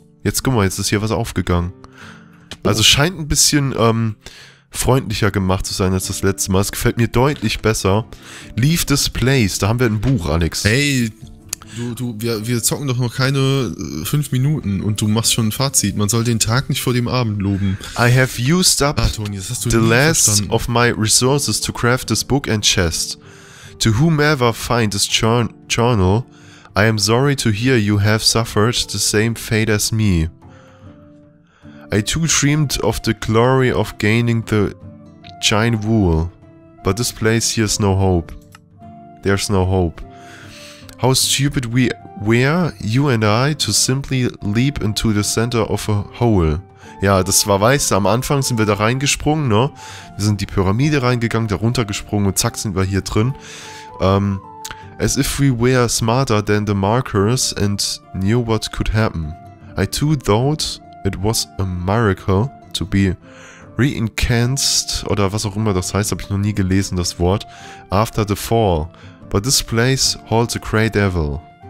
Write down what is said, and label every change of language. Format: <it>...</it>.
<de>Jetzt, guck mal, jetzt ist hier was aufgegangen. Oh. Also scheint ein bisschen freundlicher gemacht zu sein als das letzte Mal. Es gefällt mir deutlich besser.</de> <en>Leave this place,</en> <de>da haben wir ein Buch, Alex. Hey, wir zocken doch noch keine 5 Minuten und du machst schon ein Fazit. Man soll den Tag nicht vor dem Abend loben.</de> <en>I have used up the last of my resources to craft this book and chest. To whomever find this journal, I am sorry to hear you have suffered the same fate as me. I too dreamed of the glory of gaining the giant wool. But this place here is no hope. There's no hope. How stupid we were, you and I, to simply leap into the center of a hole.</en> <de>Ja, das war weiß. Am Anfang sind wir da reingesprungen, ne? Wir sind die Pyramide reingegangen, da runtergesprungen und zack sind wir hier drin.</de> <en>As if we were smarter than the markers and knew what could happen. I too thought it was a miracle to be reincarnated,</en> <de>oder was auch immer das heißt, habe ich noch nie gelesen, das Wort,</de> <en>after the fall. But this place holds a great evil.</en>